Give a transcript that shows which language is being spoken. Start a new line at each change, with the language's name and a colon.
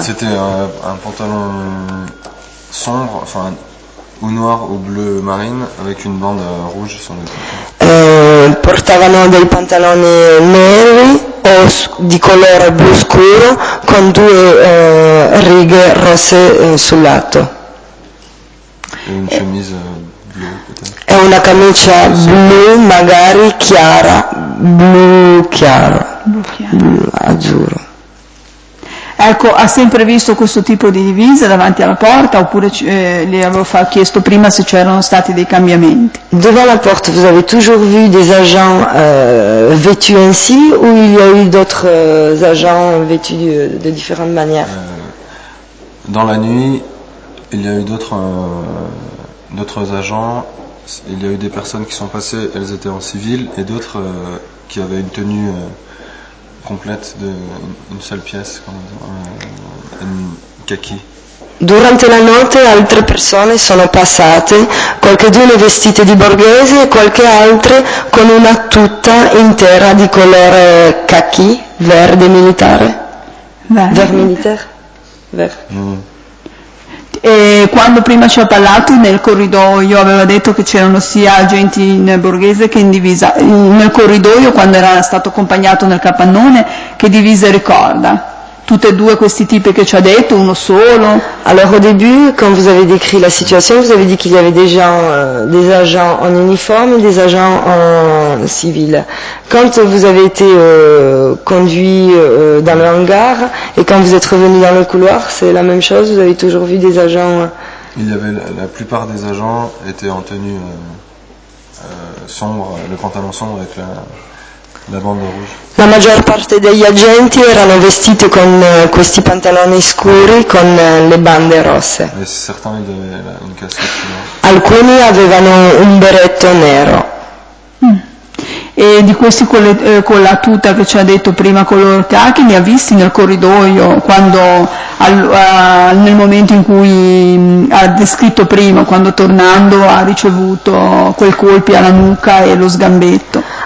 French: C'était un pantalon sombre, enfin ou noir ou bleu marine avec une bande rouge sur le côté.
Italian: Portavano dei pantaloni neri o di colore blu scuro con due righe rosse sul lato. E una camicia blu. È una camicia blu, magari chiara, blu chiaro, blu azzurro. Ecco, ha sempre visto questo tipo di divise davanti alla porta oppure le avevo chiesto prima se c'erano stati dei cambiamenti?
French: Devant la porte, vous avez toujours vu des agents vêtus ainsi ou il y a eu d'autres agents vêtus de différentes manières? Dans la nuit, il y a eu d'autres agents, il y a eu des personnes qui sont passées, elles étaient en civil et d'autres qui avaient une tenue complète de une seule pièce comme un kaki.
Italian: Durante la notte altre persone sono passate, qualcheduna vestite di borghese e qualche altre con una tuta intera di colore kaki, verde militare.
French: Vert militaire. Vert.
Italian: E quando prima ci ha parlato nel corridoio aveva detto che c'erano sia agenti in borghese che in divisa. Nel corridoio quando era stato accompagnato nel capannone, che divisa ricorda? Tutte e due questi tipi che ci ha detto, uno solo?
French: Allora, au début, quand vous avez décrit la situation, vous avez dit qu'il y avait des gens, des agents en uniforme et des agents en civil. Quand vous avez été conduit dans le hangar et quand vous êtes revenu dans le couloir, c'est la même chose, vous avez toujours vu des agents? Il y avait la plupart des agents étaient en tenue sombre, le pantalon sombre avec la bande rouge.
Italian: La maggior parte degli agenti erano vestiti con questi pantaloni scuri con le bande rosse.
French: E certains avaient une casquette noire.
Italian: Alcuni avevano un berretto nero. E di questi con la tuta che ci ha detto prima color khaki ne ha visti nel corridoio quando nel momento in cui ha descritto prima quando tornando ha ricevuto quel colpi alla nuca e lo sgambetto.